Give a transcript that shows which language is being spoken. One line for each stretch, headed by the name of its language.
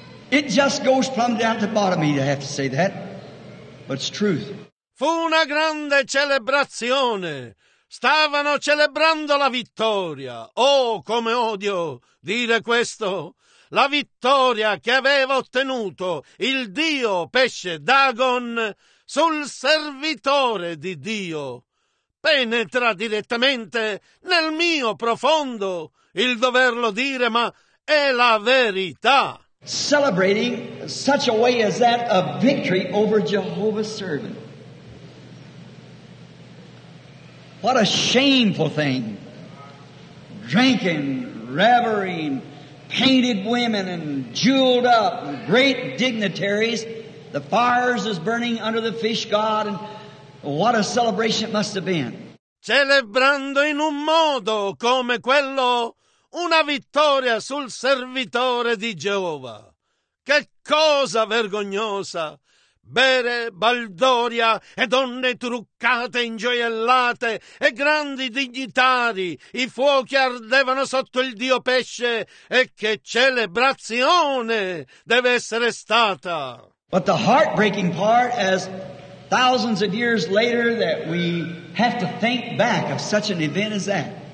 English: It just goes plumb down to the bottom of me to have to say that, but it's truth.
Italian: Fu una grande celebrazione. Stavano celebrando la vittoria. Oh, come odio dire questo. La vittoria che aveva ottenuto il dio pesce Dagon sul servitore di Dio. Penetra direttamente nel mio profondo il doverlo dire, ma è la verità.
English: Celebrating such a way as that a victory over Jehovah's servant. What a shameful thing. Drinking, revering, painted women and jeweled up and great dignitaries. The fires is burning under the fish god and what a celebration it must have been.
Italian: Celebrando in un modo come quello una vittoria sul servitore di Geova. Che cosa vergognosa! Bere baldoria e donne truccate, ingioiellate e grandi dignitari. I fuochi ardevano sotto il dio pesce. E che celebrazione deve essere stata!
English: But the heartbreaking part is thousands of years later that we have to think back of such an event as that.